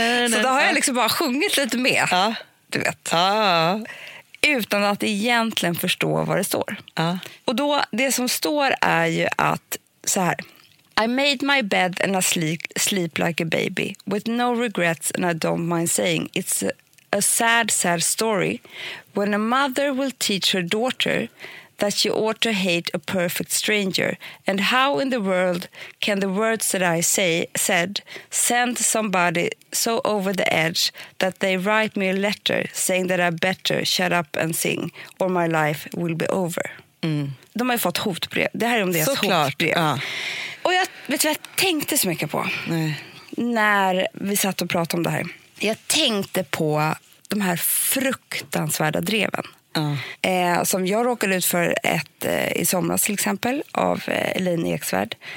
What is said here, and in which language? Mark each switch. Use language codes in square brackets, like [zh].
[sv] Så då har jag liksom bara sjungit lite med. Ja. Du vet. Ja. Utan att egentligen förstå vad det står. Ja. Och då, det som står är ju att så här. [en] I made my bed and I sleep like a baby. With no regrets and I don't mind saying. It's a sad, sad story. When a mother will teach her daughter... That you ought to hate a perfect stranger. And how in the world can the words that I said send somebody so over the edge that they write me a letter saying that I better shut up and sing or my life will be over. Mm. [sv] De har ju fått hotbrev. Det här är om deras hotbrev. Ja. Och jag vet vad jag tänkte så mycket på. Nej. När vi satt och pratade om det här. Jag tänkte på de här fruktansvärda dreven. Som jag råkade ut för i somras till exempel av Elin Eksvärd.